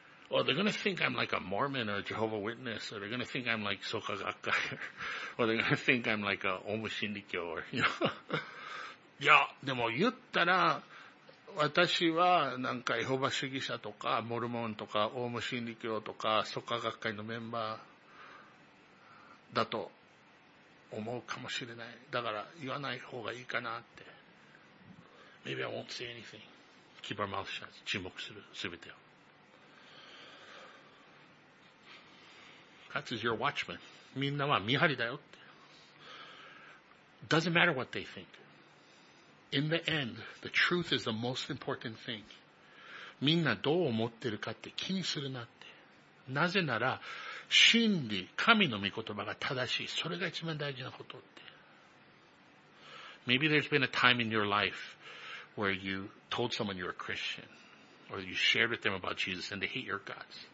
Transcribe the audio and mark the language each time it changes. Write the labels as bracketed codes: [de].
[en] Or they're gonna think I'm like a Mormon or a Jehovah Witness, or they're gonna think I'm like Soka Gakkai, or they're gonna think I'm like a Omu Shinrikyo, or, you know. [ja] いや、でも言ったら、私はなんかエホバ主義者とか、モルモンとか、オウム真理教とか、ソッカ学会のメンバーだと思うかもしれない。だから言わない方がいいかなって。 [en] Maybe I won't say anything. Keep our mouth shut. [ja] 沈黙する、すべてを。 [en] God is your watchman. [ja] みんなは見張りだよって。 [en] Doesn't matter what they think. In the end, the truth is the most important thing. [ja] みんなどう思ってるかって気にするなって。なぜなら、真理、神の御言葉が正しい。それが一番大事なことって。 [en] Maybe there's been a time in your life where you told someone you're a Christian, or you shared with them about Jesus and they hate your guts.